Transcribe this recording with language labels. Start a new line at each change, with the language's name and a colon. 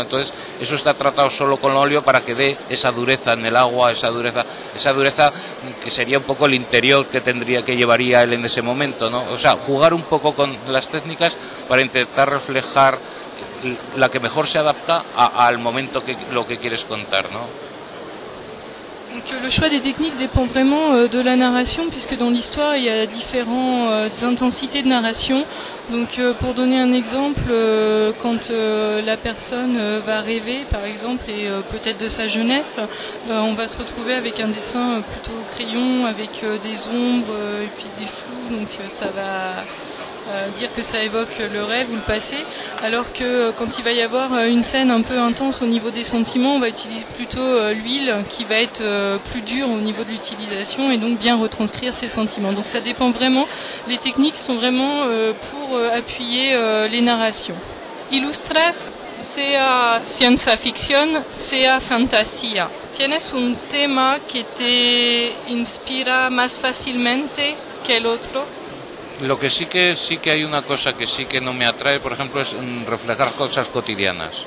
Spanish: Entonces eso está tratado solo con óleo para que dé esa dureza en el agua, esa dureza que sería un poco el interior que tendría, que llevaría él en ese momento, ¿no? O sea, jugar un poco con las técnicas para intentar reflejar la que mejor se adapta al momento que lo que quieres contar, ¿no?
French: Donc, le choix des techniques dépend vraiment de la narration, puisque dans l'histoire il y a différentes intensités de narration. Donc pour donner un exemple, quand la personne va rêver par exemple, et peut-être de sa jeunesse, on va se retrouver avec un dessin plutôt au crayon, avec des ombres et puis des flous, donc ça va dire que ça évoque le rêve ou le passé, alors que quand il va y avoir une scène un peu intense au niveau des sentiments, on va utiliser plutôt l'huile qui va être plus dure au niveau de l'utilisation et donc bien retranscrire ses sentiments. Donc ça dépend vraiment, les techniques sont vraiment pour appuyer les narrations.
Spanish: Ilustras, sea ciencia ficción, sea fantasía. ¿Tienes un tema que te inspira más fácilmente que el otro? Lo que sí que hay una cosa que sí que no me atrae, por ejemplo, es reflejar cosas cotidianas.